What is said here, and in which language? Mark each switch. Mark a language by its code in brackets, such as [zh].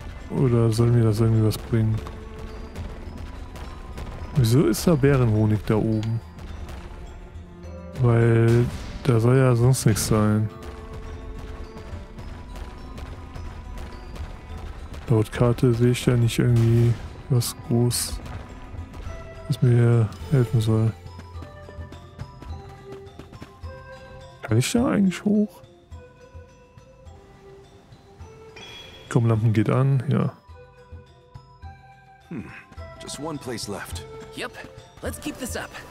[de] Oder soll mir das irgendwie was bringen? Wieso ist da Bärenhonig da oben? Weil da soll ja sonst nichts sein. Laut Karte sehe ich da nicht irgendwie... was groß, was mir helfen soll. Kann ich da eigentlich hoch? Komm, Lampen geht an, ja. [en] Just one place left. Yep. Let's keep this up.